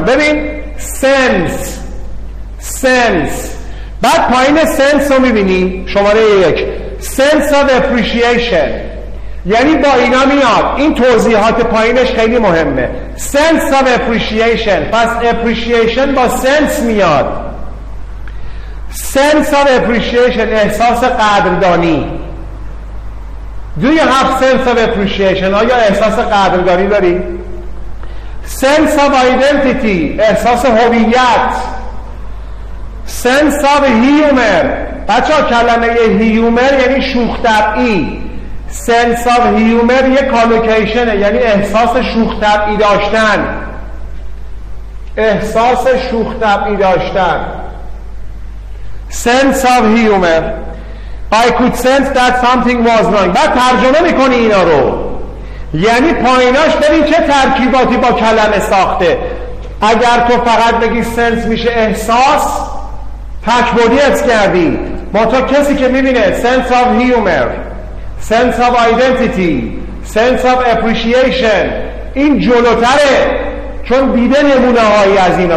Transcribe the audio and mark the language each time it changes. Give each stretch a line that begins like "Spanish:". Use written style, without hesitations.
Persian: ببین سنس، سنس، بعد پایین سنس رو میبینی، شماره یک، سنس آف اپریشیشن، یعنی با اینا میاد. این توضیحات پایینش خیلی مهمه، سنس آف اپریشیشن. پس اپریشیشن با سنس میاد، سنس آف اپریشیشن، احساس قدردانی.
English: Do you have sense of appreciation؟
Persian: آیا احساس قدردانی داری؟
English: Sense of identity،
Persian: احساس هویت.
English: Sense of humor،
Persian: بچه ها کلمه یه humor یعنی شوخ طبعی.
English: Sense of humor
Persian: یه collocationه، یعنی احساس شوخ طبعی داشتن، احساس شوخ طبعی داشتن.
English: Sense of humor، I could sense that something was wrong.
Persian: بعد ترجمه میکنی اینا رو، یعنی پایناش ببین چه ترکیباتی با کلمه ساخته. اگر تو فقط بگی سنس میشه احساس، تکبودی ات کردی. ما تو کسی که میبینه
English: sense of humor، sense of identity، sense of appreciation،
Persian: این جلوتره، چون دیده نمونه هایی از اینا.